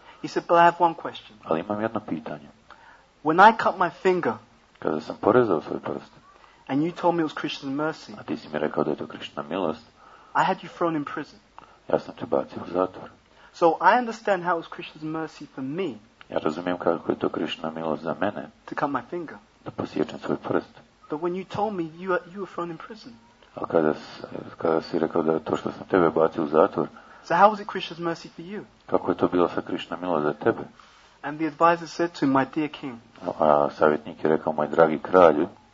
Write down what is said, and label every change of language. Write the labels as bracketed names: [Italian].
[English] He said, but I have one question. [Croatian] Ali imam jedno pitanje. [English] When I cut my finger, [Croatian] kada sam porezao svoj prst, [English] and you told me it was Krishna's mercy, [Croatian] a ti si mi rekao da je to Krišna milost, [English] I had you thrown in prison. [Croatian] Ja sam te bacio u zatvor. [English] So I understand how it was Krishna's mercy for me. [Croatian] Ja razumijem kako je to Krishna milost za mene. [English] To cut my finger. [Croatian] Da posječem svoj prst. [English] But when you told me you were thrown in prison. [Croatian] A kada si rekao da to što sam tebe bacio u zatvor. [English] So how was it Krishna's mercy for you? [Croatian] Kako je to bilo sa Krishna milost za tebe? [English] And the advisor said to him, my dear king. [Croatian] A savjetnik je rekao, moj dragi kralju.